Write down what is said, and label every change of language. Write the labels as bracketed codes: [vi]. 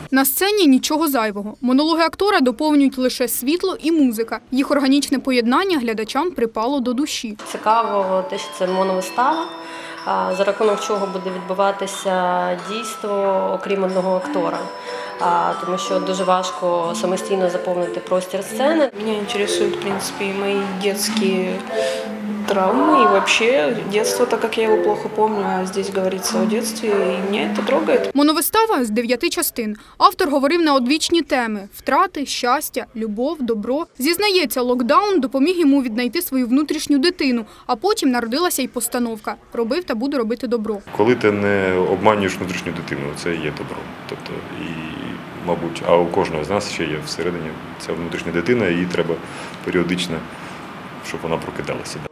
[uk] На сцені нічого зайвого. Монологи актора доповнюють лише світло і музика. Їх органічне поєднання глядачам припало до душі. Цікаво те, що це моновистава, за рахунок чого буде відбуватися дійство, окрім одного актора. Тому що дуже важко самостійно заповнити простір сцени. Мені інтересують, в принципі, мої дитячі [ru] травмы и вообще детство, так как я его плохо помню, а здесь говорится о детстве, и меня это трогает. [uk] Моновистава з 9 частин. Автор говорив на одвічні теми – втрати, щастя, любов, добро. Зізнається, локдаун допоміг йому віднайти свою внутрішню дитину, а потім народилася й постановка – робив та буду робити добро. Коли ти не обманюєш внутрішню дитину, це є добро. Тобто, і, мабуть, а у кожного з нас ще є всередині ця внутрішня дитина, її треба періодично, щоб вона прокидалася.